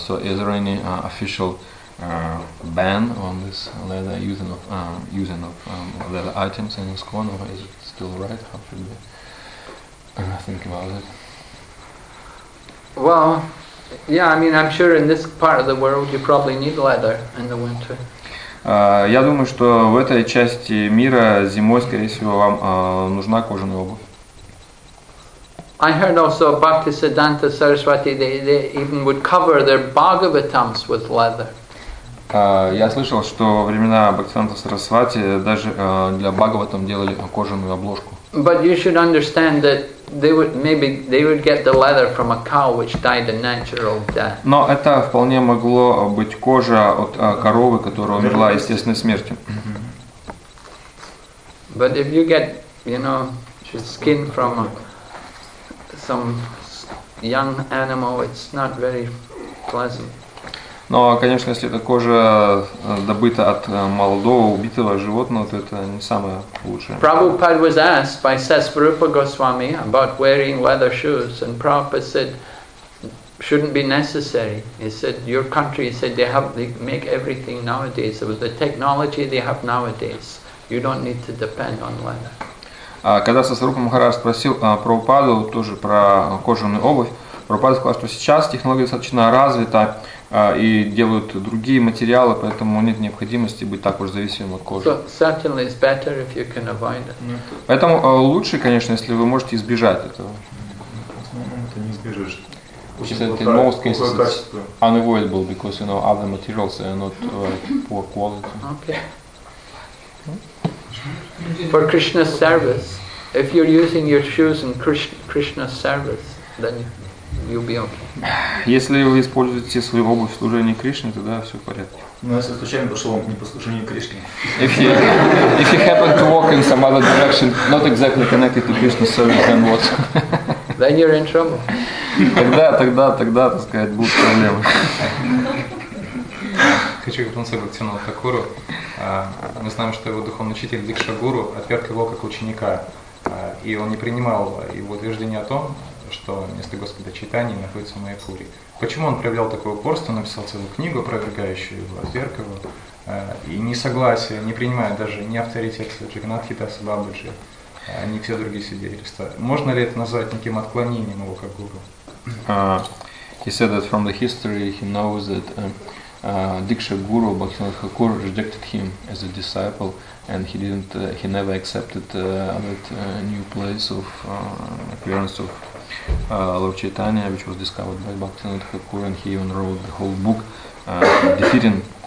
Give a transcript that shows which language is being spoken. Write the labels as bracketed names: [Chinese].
[English] So is there any official ban on this leather using of leather items in this corner, or is it still right? How should be? Think about it. Well, yeah, I mean, I'm sure in this part of the world you probably need leather in the winter. [Russian] Я думаю, что в этой части мира зимой, скорее всего, вам нужна кожаная обувь. [English] I heard also Bhaktisiddhanta Saraswati they even would cover their Bhagavatams with leather. [Russian] Я слышал, что во времена Бхактисиддханты Сарасвати даже для Бхагаватам делали кожаную обложку. [English] But you should understand that they would get the leather from a cow which died a natural death. [Russian] Но это вполне могло быть кожа от коровы, которая умерла естественной смертью. [English] But if you get, you know, skin from some young animal, it's not very pleasant. [Russian] Но, конечно, если эта кожа добыта от молодого убитого животного, то это не самое лучшее. [English] Prabhupada was asked by Sesvarupa Goswami about wearing leather shoes, and Prabhupada said, shouldn't be necessary. He said, your country, he said, they make everything nowadays. It was the technology they have nowadays. You don't need to depend on leather. [Russian] Когда Сасарупа Махарадж спросил Прабхупаду тоже про кожаную обувь, Прабхупада сказал, что сейчас технология достаточно развита, и делают другие материалы, поэтому нет необходимости быть так уж зависимым от кожи. [English] So, certainly it's better if you can avoid it. [Russian] Поэтому лучше, конечно, если вы можете избежать этого. Это не избежишь. Если это [English] unavoidable, because you know other materials are not poor quality. Okay. For Krishna's service, if you're using your shoes in Krishna's service, then you'll be okay. [Russian] Если вы используете свою обувь в служении Кришне, тогда все в порядке. Ну, если случайно пошел вам не по служению Кришне. [English] If you happen to walk in some other direction, not exactly connected to Krishna service, then what? Then you're in trouble. [Russian] Тогда, так сказать, будут проблемы. Хочу вернуться к Бхактисиддханта Тхакуру. Мы знаем, что его духовный учитель Дикша Гуру отверг его как ученика. И он не принимал его утверждение о том, что место Господа Чайтаньи находится в Майяпуре. Почему он проявлял такое упорство, написал целую книгу, опровергающую его, отверг его, и несогласие, не принимая даже ни авторитет Джагнатхи Даса Бабаджи, ни все другие свидетельства. Можно ли это назвать неким отклонением его как гуру? [English] He said that from the history he knows that Диксха Гуру, Бхактисиддханта Тхакура, rejected him as a disciple, and he didn't, he never accepted that new place of appearance of Lord Chaitanya, which was discovered by Bhaktivinoda Thakur, and he even wrote the whole book defeating.